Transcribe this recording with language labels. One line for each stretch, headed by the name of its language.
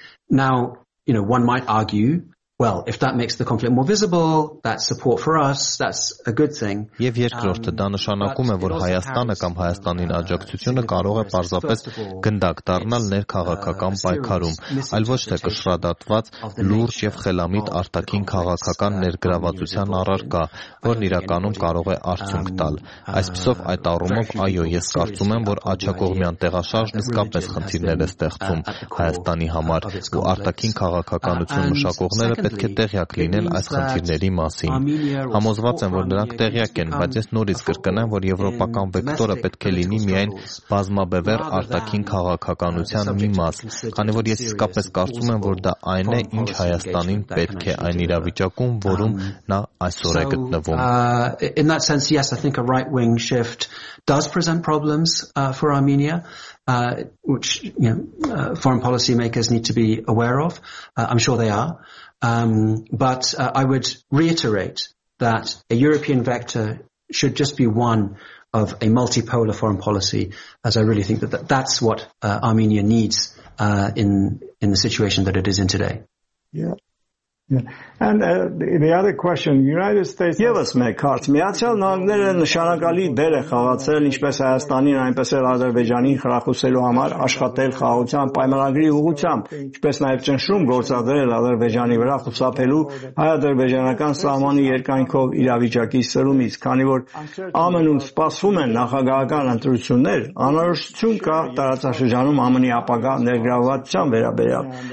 English: Now, you know, one might argue, Well, if that makes the conflict more visible, that's support for us, that's a good thing.
Armenian: Եվ երկրորդը դա նշանակում է, որ Հայաստանը կամ Հայաստանի աջակցությունը կարող է պարզապես գնդակ դառնալ ներքաղաքական պայքարում, այլ ոչ թե կշռադատված լուրջ եւ խելամիտ արտաքին քաղաքական ներգրավվածության առարկա, որն իրականում կարող է արդյունք տալ։ Այսպիսով այդ առումով, այո, ես կարծում եմ, որ աջակողմյան տեղաշարժն իսկապես խնդիրներ է ստեղծում Հայաստանի համար, ու արտաքին քաղաքականություն մշակողները պետք է տեղյակ լինել այս խնդիրների մասին։ Համոզված եմ, որ նրանք տեղյակ են, բայց ես նորից կրկնեմ, որ եվրոպական վեկտորը պետք է լինի միայն բազմաբևեռ արտաքին քաղաքականության մի մաս, քանի որ ես իսկապես կարծում եմ, որ դա այն է, ինչ Հայաստանին պետք է այն իրավիճակում, որում նա այսօր է գտնվում։
English: In that sense, yes, I think a right-wing shift does present problems for Armenia. Which you know, foreign policy makers need to be aware of. I'm sure they are. But I would reiterate that a European vector should just be one of a multipolar foreign policy, as I really think that that's what Armenia needs in the situation that it is in today. Yeah. Yeah. And the other question, United States...
Armenian: Եվս մեկ հարց, Միացյալ Նահանգները նշանակալի դեր է խաղացել, ինչպես Հայաստանին, այնպես էլ Ադրբեջանին խրախուսելու համար աշխատել խաղաղության պայմանագրի ուղղությամբ, ինչպես նաև ճնշում գործադրել Ադրբեջանի վրա խուսափելու հայ-ադրբեջանական սահմանի երկայնքով իրավիճակի սրումից, քանի որ ԱՄՆ-ում սպասվում են նախագահական ընտրություններ, անորոշություն կա տարածաշրջանում ԱՄՆ-ի ապագա ներգրավվածության վերաբերյալ։